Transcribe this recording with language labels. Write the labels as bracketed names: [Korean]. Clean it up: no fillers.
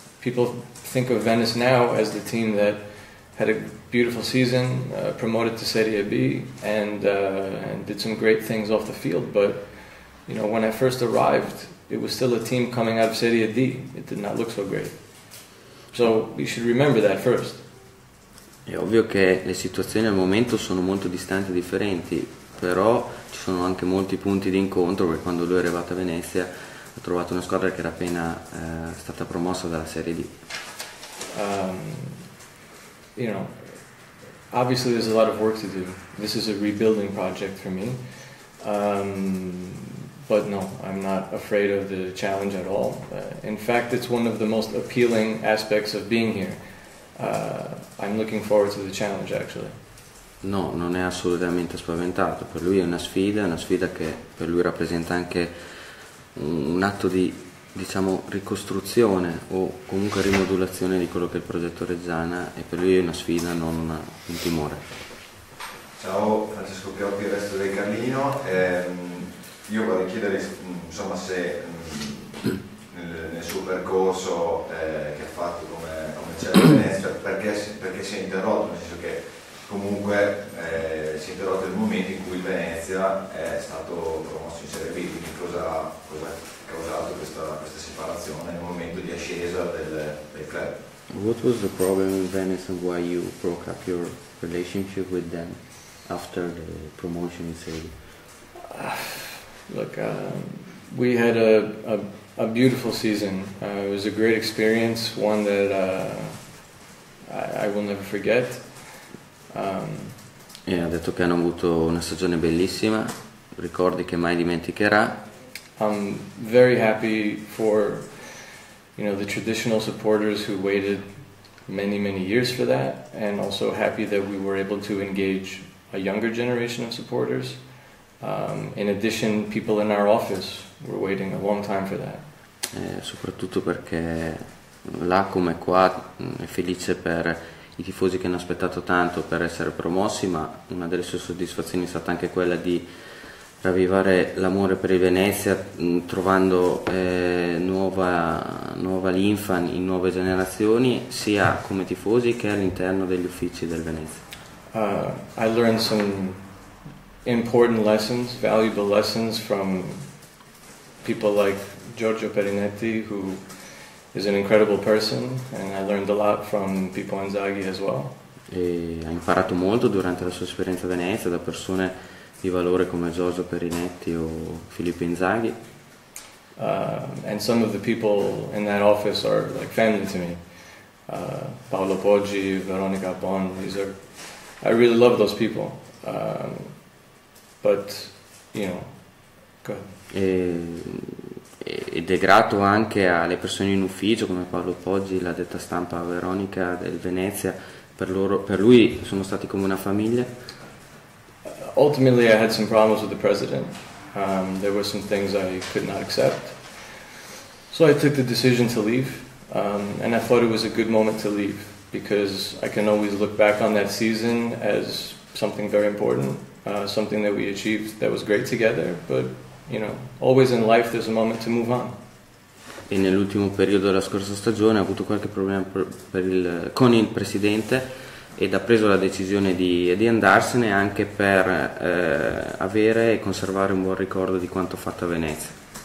[English] People think of Venice now as the team that had a beautiful season, promoted to Serie B, and did some great things off the field. But you know, when I first arrived, it was still a team coming out of Serie D. It did not look so great. So you should remember that first. [Italian] È ovvio che le situazioni al momento sono molto distanti e differenti. Però ci sono anche molti punti di incontro, perché quando lui è arrivato a Venezia ha trovato una squadra che era appena stata promossa dalla Serie D. [English] You know, obviously there's a lot of work to do. This is a rebuilding project for me. But no, I'm not afraid of the challenge at all. In fact, it's one of the most appealing aspects of being here. I'm looking forward to the challenge actually. [Italian] No, non è assolutamente spaventato, per lui è una sfida che per lui rappresenta anche un atto di, diciamo, ricostruzione o comunque rimodulazione di quello che è il progetto Reggiana, e per lui è una sfida, non un timore. Ciao, Francesco Pioppi, il resto del Carlino. Io vorrei chiedere, insomma, se nel suo percorso che ha fatto come c'è la Venezia, perché si è interrotto, nel senso che comunque si è interrotto il momento in cui Venezia è stato promosso in Serie B, quindi cosa ha causato questa separazione nel momento di ascesa del club. [English] What was the problem in Venice and why you broke up your relationship with them after the promotion in Serie B? Look, we had a beautiful season. It was a great experience, one that I will never forget. [Italian] E ha detto che hanno avuto una stagione bellissima, ricordi che mai dimenticherà. [English] I'm very happy for, you know, the traditional supporters who waited many, many years for that, and also happy that we were able to engage a younger generation of supporters. In addition, people in our office were waiting a long time for that. [Italian] Soprattutto perché là come qua è felice per i tifosi che hanno aspettato tanto per essere promossi, ma una delle sue soddisfazioni è stata anche quella di ravvivare l'amore per il Venezia, trovando nuova linfa in nuove generazioni, sia come tifosi che all'interno degli uffici del Venezia. [English] I learned some important lessons, valuable lessons from people like Giorgio Perinetti, who is an incredible person, and I learned a lot from Pippo Inzaghi as well. [Italian] E ha imparato molto durante la sua esperienza a Venezia da persone di valore come Giorgio Perinetti o Filippo Inzaghi. [English] And some of the people in that office are like family to me. Paolo Poggi, Veronica Bon, I really love those people. But you know, go ahead. [Italian] Ed è grato anche alle persone in ufficio come Paolo Poggi, la detta stampa Veronica del Venezia, per lui sono stati come una famiglia. [English] Ultimately I had some problems with the president. There were some things I could not accept, so I took the decision to leave, and I thought it was a good moment to leave because I can always look back on that season as something very important, something that we achieved that was great together, but you know, always in life there's a moment to move on. [Italian] E nell'ultimo periodo della scorsa stagione ha avuto qualche problema con il presidente ed ha preso la decisione di andarsene anche per avere e conservare un buon ricordo di quanto fatto a Venezia.